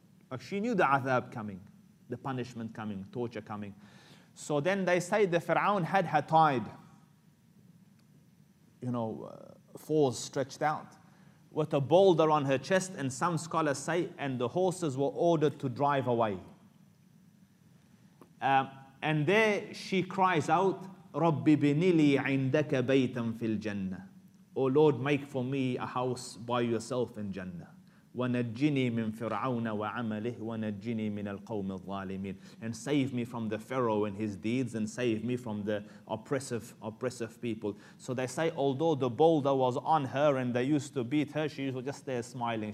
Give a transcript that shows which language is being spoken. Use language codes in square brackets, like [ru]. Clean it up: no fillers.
[en] Like she knew the azab coming, the punishment coming, torture coming. So then they say the Fir'aun had her tied, you know, fours stretched out, with a boulder on her chest, and some scholars say, and the horses were ordered to drive away. And there she cries out, [ar] رَبِّ بِنِلِي عِنْدَكَ بَيْتًا فِي الْجَنَّةِ. [en] O Lord, make for me a house by yourself in Jannah. [ar] وَنَجِّنِي مِنْ فِرْعَوْنَ وَعَمَلِهِ وَنَجِّنِي مِنَ الْقَوْمِ الظَّالِمِينَ. [en] And save me from the Pharaoh and his deeds, and save me from the oppressive people. So they say, although the boulder was on her and they used to beat her, she was just there smiling.